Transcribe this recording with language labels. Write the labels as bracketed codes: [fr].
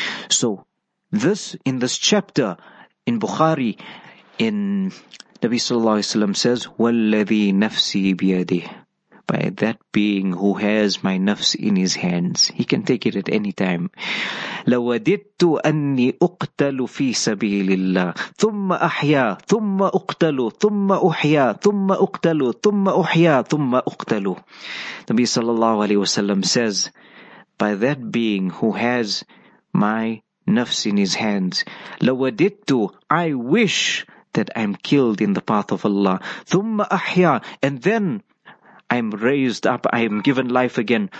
[en] So, this in this chapter in Bukhari, in Nabi sallallahu alayhi wa sallam says, [ar] وَالَّذِي نَفْسِي بِيَدِهِ. [en] By that being who has my nafs in his hands, he can take it at any time. [ar] لَوَدِدْتُ أَنِّي أُقْتَلُ فِي سَبِيلِ اللَّهِ ثُمَّ أَحْيَا ثُمَّ أُقْتَلُ ثُمَّ أُحْيَا ثُمَّ أُقْتَلُ ثُمَّ أُحْيَا ثُمَّ أُقْتَلُ. [en] Nabi sallallahu alayhi wasallam says, by that being who has my nafs in his hands, [ar] لَوَدِدْتُ, [en] I wish that I'm killed in the path of Allah. [ar] ثُمَّ أَحْيَا, [en] and then I'm raised up, I'm given life again.